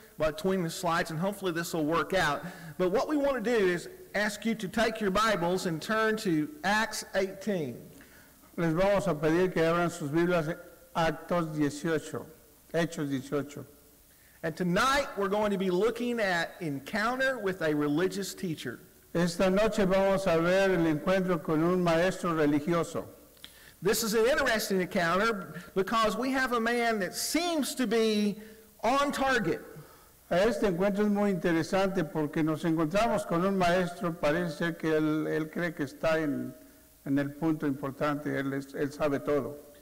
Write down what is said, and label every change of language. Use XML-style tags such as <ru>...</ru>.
<en>between the slides, and hopefully this will work out. But what we want to do is ask you to take your Bibles and turn to Acts 18.</en> <es>Les vamos a pedir que abran sus Biblias Actos 18, Hechos 18.</es> <en>And tonight we're going to be looking at encounter with a religious teacher.</en> <es>Esta noche vamos a ver el encuentro con un maestro religioso.</es> <en>This is an interesting encounter because we have a man that seems to be on target.</en> <es>Este encuentro es muy interesante porque nos encontramos con un maestro, parece ser que él cree que está en el punto importante, él sabe todo.</es>